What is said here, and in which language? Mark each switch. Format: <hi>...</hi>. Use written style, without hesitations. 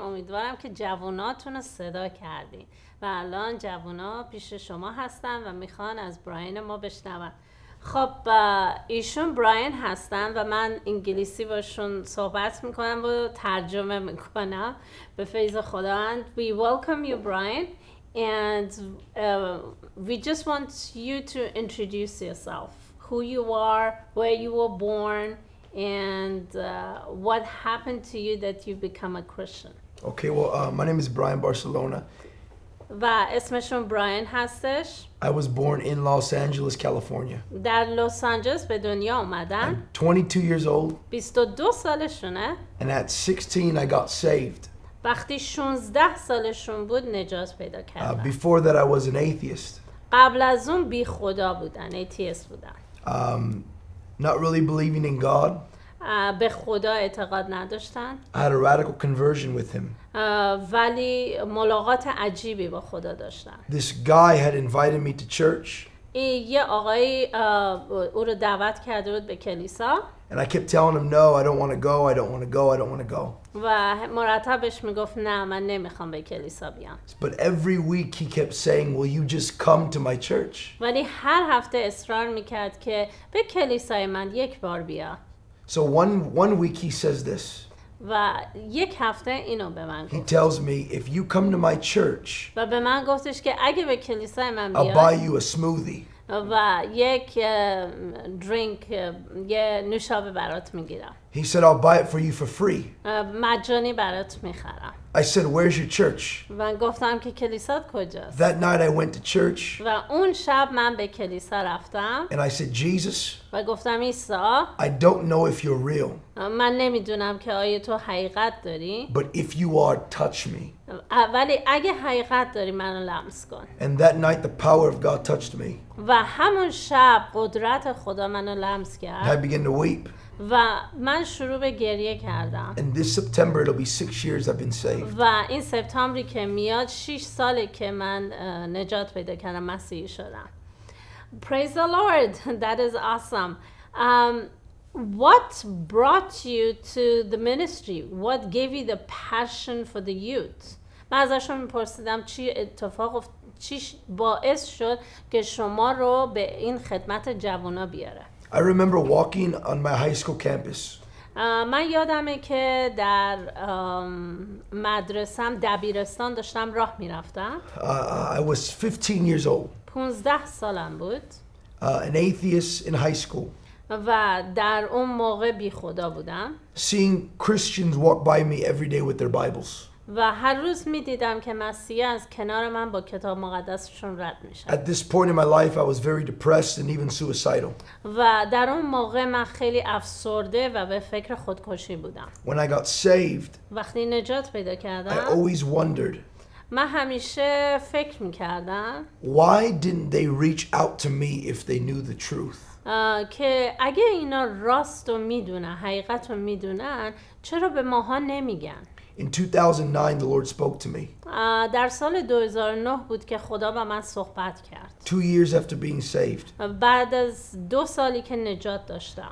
<fa>امیدوارم که جووناتون رو صدا کردیم و الان جوونا پیش شما هستن و میخوان از براین ما بشنون. خب ایشون براین هستن و من انگلیسی باشون صحبت میکنم و ترجمه میکنم به فیض خداوند.</fa> <en>We welcome you, Brian, and we just want you to introduce yourself, who you are, where you were born, and what happened to you that you become a Christian. Okay, well, my name is Brian Barcelona.</en> <fa>و اسمشون براین هستش.</fa> <en>I was born in Los Angeles, California.</en> <fa>در لس آنجلس به دنیا اومدن.</fa> <en>I'm 22 years old.</en> <fa>22 سالشونه.</fa> <en>And at 16 I got saved.</en> <fa>وقتی 16 سالشون بود نجات پیدا کردن.</fa> <en>Before that I was an atheist.</en> <fa>قبل از اون بی خدا بودن، اتیست بودن.</fa> <en>Not really believing in God.</en> <fa>به خدا اعتقاد نداشتن.</fa> <en>I had a radical conversion with him.</en> <fa>ولی ملاقات عجیبی با خدا داشتن.</fa> <en>This guy had invited me to church.</en> <fa>یه آقای او رو دعوت کرده بود به کلیسا.</fa> <en>And I kept telling him no, I don't want to go, I don't want to go, I don't want to go.</en> <fa>و مرتبش میگفت نه من نمیخوام به کلیسا بیام.</fa> <en>But every week he kept saying, will you just come to my church?</en> <fa>ولی هر هفته اصرار میکرد که به کلیسای من یک بار بیا.</fa> <en>So one week he says this.</en> <fa>و یک هفته اینو به من گفت.</fa> <en>He tells me if you come to my church.</en> <fa>و به من گفتش که اگه به کلیسای من بیای.</fa> <en>I'll buy you a smoothie.</en> <fa>و یک drink یه نوشابه برات میگیرم.</fa> <en>He said I'll buy it for you for free.</en> <fa>مجانی برات میخرم.</fa> <en>I said where's your church?</en> <fa>و گفتم که کلیسات کجاست.</fa> <en>That night I went to church.</en> <fa>و اون شب من به کلیسا رفتم.</fa> <en>And I said Jesus.</en> <fa>و گفتم عیسی.</fa> <en>I don't know if you're real.</en> <fa>من نمیدونم که آیا تو حقیقت داری.</fa> <en>But if you are, touch me.</en> <fa>ولی اگه حقیقت داری منو لمس کن.</fa> <en>And that night the power of God touched me.</en> <fa>و همون شب قدرت خدا منو لمس کرد.</fa> <en>I began to weep.</en> <fa>و من شروع به گریه کردم.</fa> <en>And this September it'll be 6 years I've been saved.</en> <fa>و این سپتامبری که میاد 6 ساله که من نجات پیدا کردم، مسیحی شدم.</fa> <en>Praise the Lord. That is awesome. What brought you to the ministry? What gave you the passion for the youth?</en> <fa>من ازشون میپرسیدم چی اتفاق چی باعث شد که شما رو به این خدمت جوانا بیاره.</fa> <en>I remember walking on my high school campus.</en> <fa>من یادمه که در مدرسه‌م دبیرستان داشتم راه می‌رفتم.</fa> <en>I was 15 years old.</en> <fa>15 سالم بود.</fa> <en>An atheist in high school.</en> <fa>و در اون موقع بی خدا بودم.</fa> <en>Seeing Christians walk by me every day with their Bibles.</en> <fa>و هر روز می‌دیدم که مسیح از کنار من با کتاب مقدسشون رد میشه.</fa> <en>At this point in my life I was very depressed and even suicidal.</en> <fa>و در اون موقع من خیلی افسرده و به فکر خودکشی بودم.</fa> <en>When I got saved.</en> <fa>وقتی نجات پیدا کردم.</fa> <en>I always wondered.</en> <fa>من همیشه فکر می‌کردم.</fa> <en>Why didn't they reach out to me if they knew the truth?</en> <fa>که اگه اینا راست رو می‌دونن، حقیقت رو می‌دونن، چرا به ماها نمیگن؟</fa> <en>In 2009 the Lord spoke to me.</en> <fa>در سال 2009 بود که خدا با من صحبت کرد.</fa> <en>2 years after being saved.</en> <fa>بعد از 2 سالی که نجات داشتم.</fa>